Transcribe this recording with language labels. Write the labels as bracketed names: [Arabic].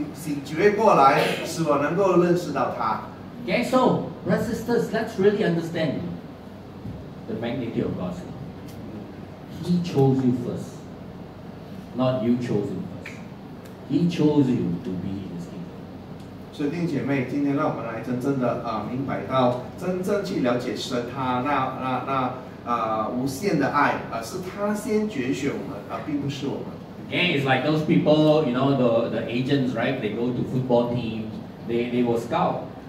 [Chinese] 虽然我当时候是那么的叛逆，但是神呢，他还是派遣了一些人，使我醒觉过来，使我能够认识到他。 [English] Okay, so brothers and sisters, let's really understand the magnitude of God's love. He chose you first, not you chose Him first. He chose you to be. [Chinese] 所以弟兄姐妹，今天让我们来真正的明白到，真正去了解神他那无限的爱，是他先拣选我们，并不是我们。Okay, [English] it's like those people, you know, the agents, right? They go to football teams, they will scout.